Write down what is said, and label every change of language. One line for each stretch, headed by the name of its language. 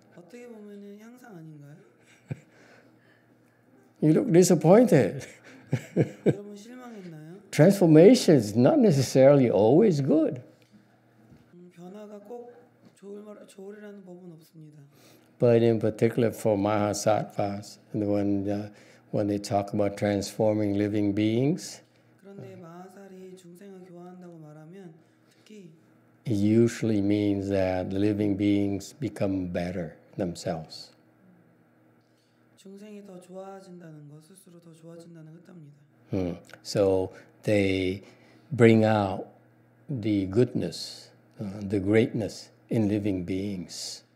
Korean: 어떻게 보면은 향상 아닌가요?
English: You look disappointed.
Korean: 여러분 실망했나요?
English: Transformation is not necessarily always good.
Korean: 변화가 꼭 좋으리라는 법은 없습니다.
English: But in particular for Mahasattvas, and when they talk about transforming living beings,
Korean: 그런데 마하살이 중생을 교화한다고 말하면 특히
English: It usually means that living beings become better themselves.
Korean: 중생이 더 좋아진다는 것, 스스로 더 좋아진다는 뜻입니다.
English: So they bring out the goodness, the greatness in living beings.